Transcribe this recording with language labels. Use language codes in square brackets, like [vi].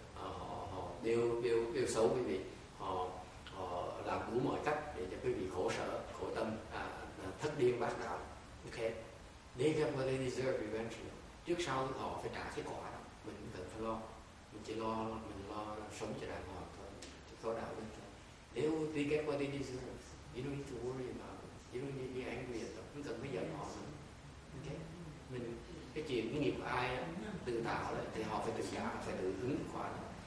[vi] Họ bêu xấu quý vị, họ làm đủ mọi cách để cho quý vị khổ sở, khổ tâm, thất điên bát đạo. [en] Okay, they get what they deserve eventually. [vi] Trước sau họ phải trả cái quả đó. Mình cần phải lo, mình chỉ lo, mình lo sống cho đàng hoàng thôi, chỉ có đạo đức thôi. Nếu [en] they get what they deserve, you don't need to worry about it, you don't need to be angry at them, [vi] không cần phải giận họ nữa. Okay, mình cái chuyện cái nghiệp của ai tự tạo đấy thì họ phải tự trả, phải tự hứng quả đó.